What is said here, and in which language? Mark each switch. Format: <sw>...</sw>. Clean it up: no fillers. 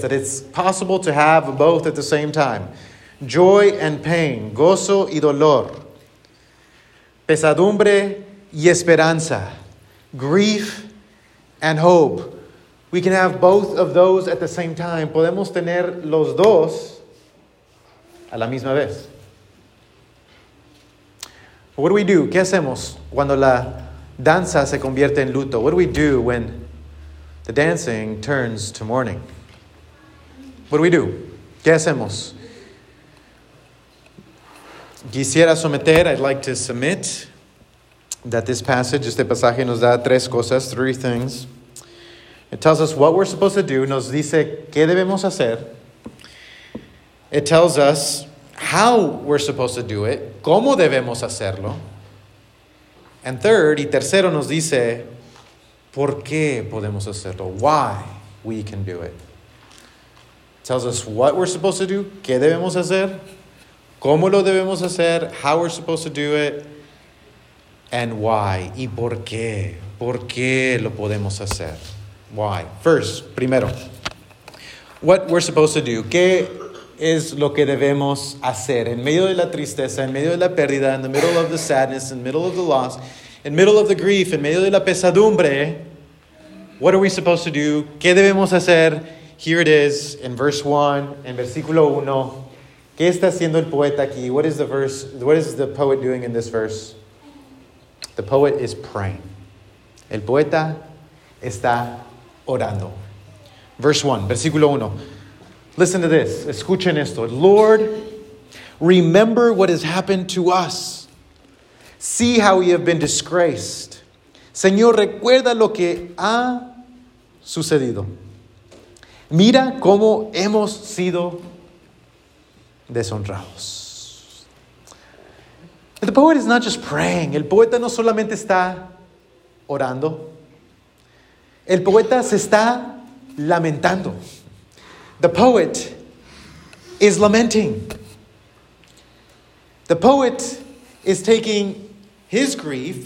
<en>That it's possible to have both at the same time. Joy and pain.</en> <es>Gozo y dolor. Pesadumbre y esperanza,</es> <en>grief and hope. We can have both of those at the same time.</en> <es>Podemos tener los dos a la misma vez.</es> <en>What do we do?</en> <es>¿Qué hacemos cuando la danza se convierte en luto?</es> <en>What do we do when the dancing turns to mourning? What do we do?</en> <es>¿Qué hacemos? Quisiera someter,</es> <en>I'd like to submit, that this passage,</en> <es>este pasaje, nos da tres cosas,</es> <en>three things. It tells us what we're supposed to do.</en> <es>Nos dice qué debemos hacer.</es> <en>It tells us how we're supposed to do it.</en> <es>Cómo debemos hacerlo.</es> <en>And third,</en> <es>y tercero, nos dice por qué podemos hacerlo.</es> <en>Why we can do it. It tells us what we're supposed to do.</en> <es>Qué debemos hacer. Cómo lo debemos hacer.</es> <en>How we're supposed to do it. And why?</en> <es>¿Y por qué? ¿Por qué lo podemos hacer?</es> <en>Why? First,</en> <es>primero,</es> <en>what we're supposed to do.</en> <es>¿Qué es lo que debemos hacer? En medio de la tristeza, en medio de la pérdida,</es> <en>in the middle of the sadness, in the middle of the loss, in the middle of the grief,</en> <es>en medio de la pesadumbre,</es> <en>what are we supposed to do?</en> <es>¿Qué debemos hacer?</es> <en>Here it is in verse 1,</en> <es>en versículo 1. ¿Qué está haciendo el poeta aquí?</es> <en>What is the verse? What is the poet doing in this verse? The poet is praying.</en> <es>El poeta está orando.</es> <en>Verse 1,</en> <es>versículo 1.</es> <en>Listen to this.</en> <es>Escuchen esto.</es> <en>Lord, remember what has happened to us. See how we have been disgraced.</en> <es>Señor, recuerda lo que ha sucedido. Mira cómo hemos sido deshonrados.</es> <en>The poet is not just praying.</en> <es>El poeta no solamente está orando. El poeta se está lamentando.</es> <en>The poet is lamenting. The poet is taking his grief.</en>